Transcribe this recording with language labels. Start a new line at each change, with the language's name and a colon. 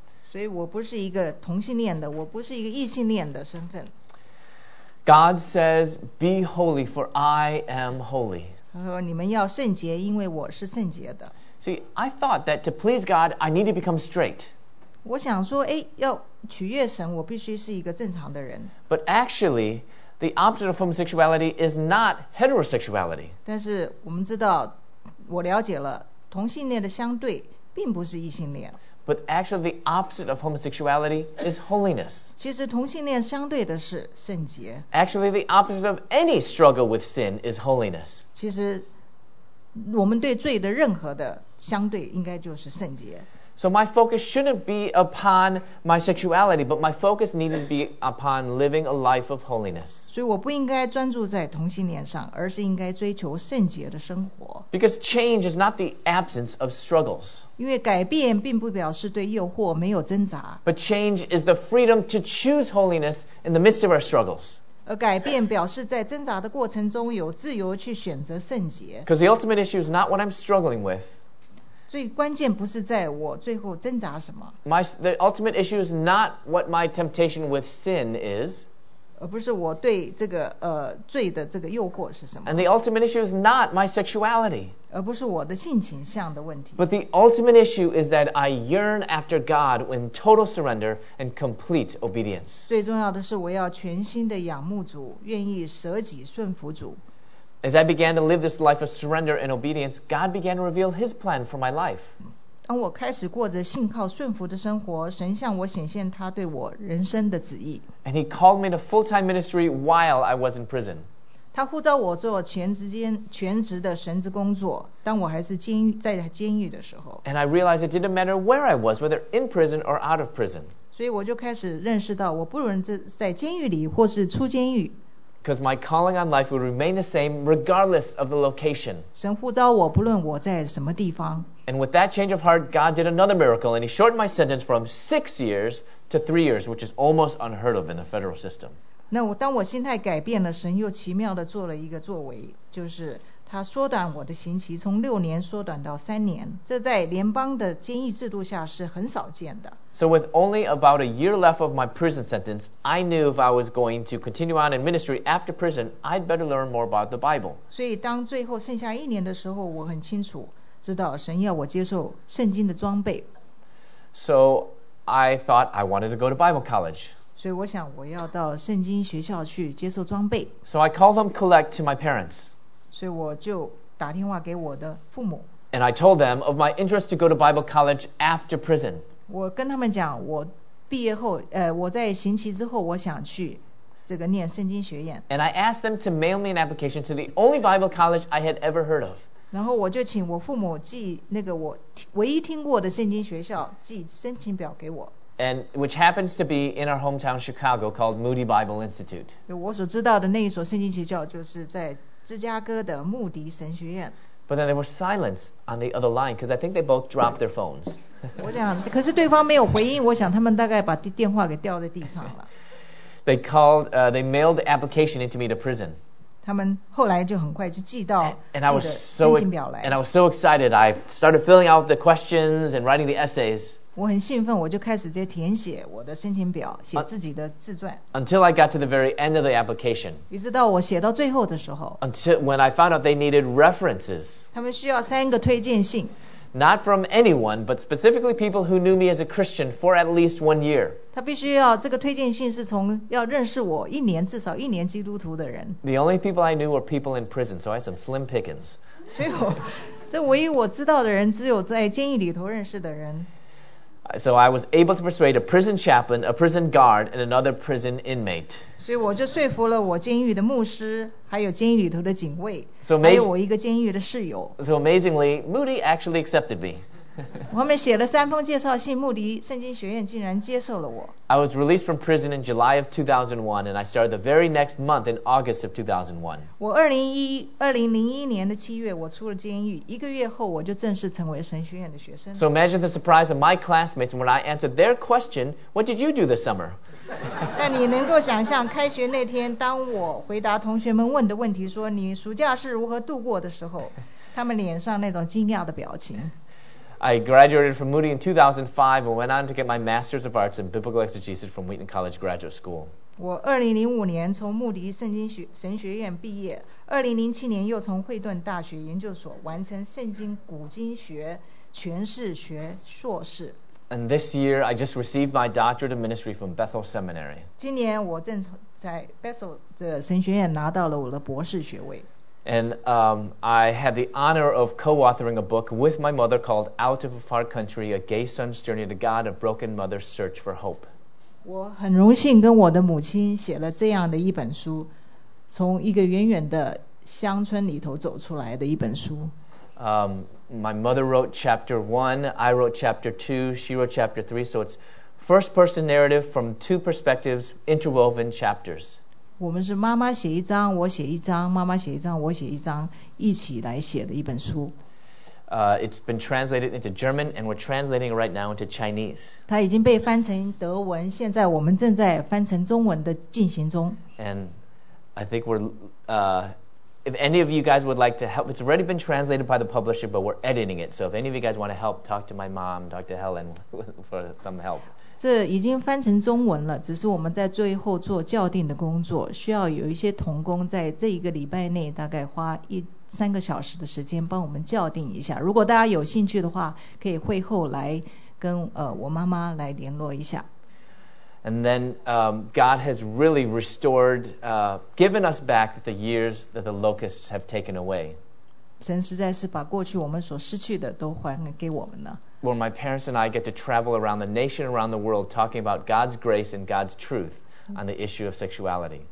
Chinese: 所以我不是一个同性恋的，我不是一个异性恋的身份。
English: God says, "Be holy, for I am holy."
Chinese: 他说你们要圣洁，因为我是圣洁的。
English: See, I thought that to please God, I need to become straight.
Chinese: 我想说，哎，要取悦神，我必须是一个正常的人。
English: But actually, the opposite of homosexuality is not heterosexuality.
Chinese: 但是我们知道，我了解了，同性恋的相对并不是异性恋。
English: But actually, the opposite of homosexuality is holiness.
Chinese: 其实同性恋相对的是圣洁。
English: Actually, the opposite of any struggle with sin is holiness.
Chinese: 其实我们对罪的任何的相对应该就是圣洁。
English: So my focus shouldn't be upon my sexuality, but my focus needed to be upon living a life of holiness.
Chinese: 所以我不应该专注在同性恋上，而是应该追求圣洁的生活。
English: Because change is not the absence of struggles.
Chinese: 因为改变并不表示对诱惑没有挣扎。
English: But change is the freedom to choose holiness in the midst of our struggles.
Chinese: 而改变表示在挣扎的过程中有自由去选择圣洁。
English: Because the ultimate issue is not what I'm struggling with.
Chinese: 最关键不是在我最后挣扎什么。
English: The ultimate issue is not what my temptation with sin is.
Chinese: 而不是我对这个罪的这个诱惑是什么。
English: And the ultimate issue is not my sexuality.
Chinese: 而不是我的性倾向的问题。
English: But the ultimate issue is that I yearn after God in total surrender and complete obedience.
Chinese: 最重要的是我要全心的仰慕主，愿意舍己顺服主。
English: As I began to live this life of surrender and obedience, God began to reveal His plan for my life.
Chinese: 当我开始过着信靠顺服的生活，神向我显现他对我人生的旨意。
English: And He called me to full-time ministry while I was in prison.
Chinese: 他呼召我做全职的神职工作，当我还是在监狱的时候。
English: And I realized it didn't matter where I was, whether in prison or out of prison.
Chinese: 所以我就开始认识到，我不论在监狱里或是出监狱。
English: Because my calling on life would remain the same regardless of the location.
Chinese: 神呼召我，不论我在什么地方。
English: And with that change of heart, God did another miracle, and He shortened my sentence from 6 years to 3 years, which is almost unheard of in the federal system.
Chinese: 那我当我心态改变了，神又奇妙地做了一个作为，就是他缩短我的刑期，从6年缩短到3年。这在联邦的监狱制度下是很少见的。
English: So with only about a year left of my prison sentence, I knew if I was going to continue on in ministry after prison, I'd better learn more about the Bible.
Chinese: 所以当最后剩下一年的时候，我很清楚。知道神要我接受圣经的装备。
English: So I thought I wanted to go to Bible college.
Chinese: 所以我想我要到圣经学校去接受装备。
English: So I called them collect to my parents.
Chinese: 所以我就打电话给我的父母。
English: And I told them of my interest to go to Bible college after prison.
Chinese: 我跟他们讲我毕业后我在刑期之后我想去这个念圣经学院。
English: And I asked them to mail me an application to the only Bible college I had ever heard of.
Chinese: 然后我就请我父母寄那个我唯一听过的圣经学校寄申请表给我。
English: And which happens to be in our hometown Chicago called Moody Bible Institute.
Chinese: 我所知道的那一所圣经学校就是在芝加哥的穆迪神学院。
English: But then there was silence on the other line because I think they both dropped their phones.
Chinese: 我想，可是对方没有回应，我想他们大概把电话给掉在地上了。
English: They called, they mailed the application into me to prison.
Chinese: 他们后来就很快就寄到申请表来。
English: And I was so excited. I started filling out the questions and writing the essays.
Chinese: 我很兴奋，我就开始在填写我的申请表，写自己的自传。
English: Until I got to the very end of the application.
Chinese: 一直到我写到最后的时候。
English: Until when I found out they needed references.
Chinese: 他们需要三个推荐信。
English: Not from anyone, but specifically people who knew me as a Christian for at least 1 year.
Chinese: 他必须要这个推荐信是从要认识我一年至少一年基督徒的人。
English: The only people I knew were people in prison, so I had some slim pickings.
Chinese: 所以我这唯一我知道的人只有在监狱里头认识的人。
English: So I was able to persuade a prison chaplain, a prison guard, and another prison inmate.
Chinese: 所以我就说服了我监狱的牧师，还有监狱里头的警卫，还有我一个监狱的室友。
English: So amazingly, Moody actually accepted me.
Chinese: 我们写了三封介绍信，穆迪圣经学院竟然接受了我。
English: I was released from prison in July of 2001, and I started the very next month in August of 2001.
Chinese: 我2001年的七月，我出了监狱，一个月后我就正式成为神学院的学生。
English: So imagine the surprise of my classmates when I answered their question, "What did you do this summer?"
Chinese: 但你能够想象，开学那天，当我回答同学们问的问题，说你暑假是如何度过的时候，他们脸上那种惊讶的表情。
English: I graduated from Moody in 2005 and went on to get my Master's of Arts in Biblical Exegesis from Wheaton College Graduate School.
Chinese: 我2005年从穆迪圣经神学院毕业，2007年又从惠顿大学研究所完成圣经古经学诠释学硕士。
English: And this year, I just received my Doctorate of Ministry from Bethel Seminary.
Chinese: 今年我正在 Bethel 的神学院拿到了我的博士学位。
English: And I had the honor of co-authoring a book with my mother called Out of a Far Country, A Gay Son's Journey to God, A Broken Mother's Search for Hope.
Chinese: 我很荣幸跟我的母亲写了这样的一本书，从一个远远的乡村里头走出来的一本书。
English: My mother wrote chapter one, I wrote chapter two, she wrote chapter three, so it's first person narrative from two perspectives, interwoven chapters.
Chinese: 我们是妈妈写一章，我写一章，妈妈写一章，我写一章，一起来写的一本书。
English: It's been translated into German, and we're translating right now into Chinese.
Chinese: 它已经被翻成德文，现在我们正在翻成中文的进行中。
English: And I think we're, if any of you guys would like to help, it's already been translated by the publisher, but we're editing it. So if any of you guys want to help, talk to my mom, talk to Helen for some help.
Chinese: 这已经翻成中文了，只是我们在最后做校订的工作，需要有一些同工在这一个礼拜内大概花三个小时的时间帮我们校订一下。如果大家有兴趣的话，可以会后来跟我妈妈来联络一下。
English: And then God has really restored, given us back the years that the locusts have taken away.
Chinese: 神实在是把过去我们所失去的都还给我们了。
English: Where my parents and I get to travel around the nation, around the world, talking about God's grace and God's truth on the issue of sexuality.